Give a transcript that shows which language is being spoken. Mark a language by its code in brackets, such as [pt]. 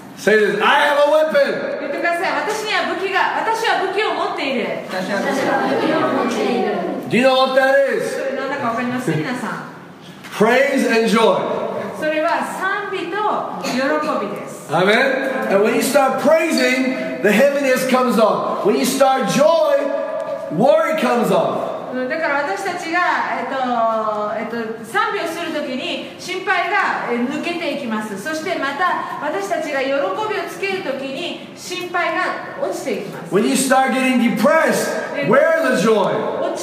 [en] Say this, I have a weapon. [ja] 言ってください。私には武器が、私は武器を持っている。 [en] Do you know what that is? Praise and joy. [ja] それは賛美と喜びです。 [en] Amen. And when you start praising, the heaviness comes off. When you start joy, worry comes off. [ja] だから私たちが賛美をするときに心配が抜けていきます。そしてまた私たちが喜びをつけるときに心配が落ちていきます。 [en] When you start getting depressed, where is the joy?